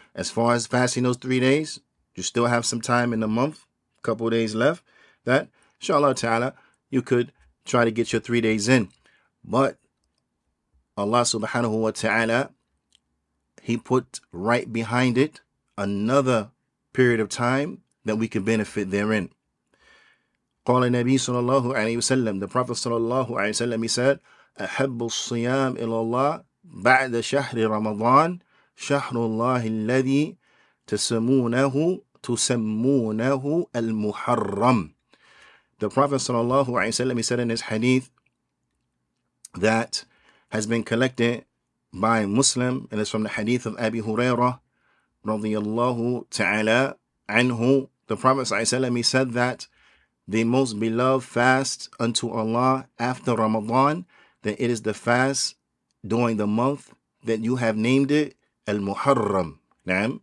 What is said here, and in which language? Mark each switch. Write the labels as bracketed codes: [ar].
[en] As far as fasting those 3 days, you still have some time in the month, a couple of days left, that inshallah ta'ala, you could try to get your 3 days in. But Allah subhanahu wa ta'ala, He put right behind it another period of time that we could benefit therein. [ar] قال النبي صلى الله عليه وسلم, [en] the Prophet [ar] صلى الله عليه وسلم, [en] he said, [ar] أحب الصيام إلى الله بعد شهر رمضان شهر الله الذي تسمونه المحرم. [en] The Prophet صلى الله عليه وسلم, he said in his hadith that has been collected by Muslim, and it's from the hadith of Abi Huraira رضي الله تعالى عنه, the Prophet صلى الله عليه وسلم, he said that the most beloved fast unto Allah after Ramadan, that it is the fast during the month that you have named it, Al-Muharram. Naam?